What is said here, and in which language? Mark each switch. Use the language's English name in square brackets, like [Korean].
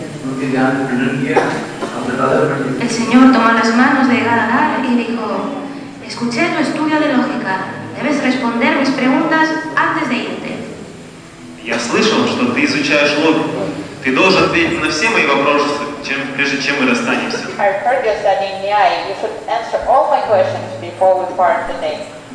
[Spanish] El Señor tomó las manos de Gadadhar y dijo: Escuché tu estudio de lógica. Debes responder mis preguntas antes de irte. [Russian] Я слышал, что ты изучаешь логику. Ты должен ответить на все мои вопросы, прежде чем мы расстанемся. [English] I heard you studying NI. You should answer all my questions before we part today.